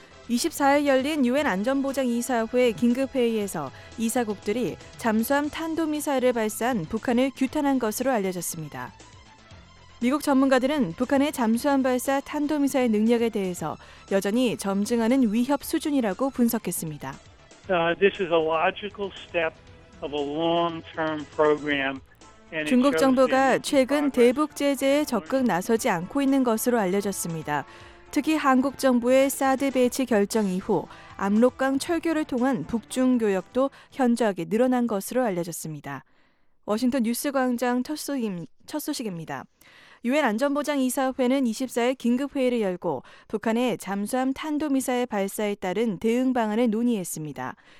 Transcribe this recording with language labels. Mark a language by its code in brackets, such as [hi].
[ko] 24일 열린 유엔 안전보장이사회 긴급회의에서 이사국들이 잠수함 탄도미사일을 발사한 북한을 규탄한 것으로 알려졌습니다. 미국 전문가들은 북한의 잠수함 발사 탄도미사일 능력에 대해서 여전히 점증하는 위협 수준이라고 분석했습니다. [en] This is a logical step of a long-term program. [ko] 중국 정부가 최근 대북 제재에 적극 나서지 않고 있는 것으로 알려졌습니다. 특히 한국 정부의 사드 배치 결정 이후 압록강 철교를 통한 북중 교역도 현저하게 늘어난 것으로 알려졌습니다. 워싱턴 뉴스 광장 첫 소식입니다. 유엔 안전보장이사회는 24일 긴급회의를 열고 북한의 잠수함 탄도미사일 발사에 따른 대응 방안을 논의했습니다.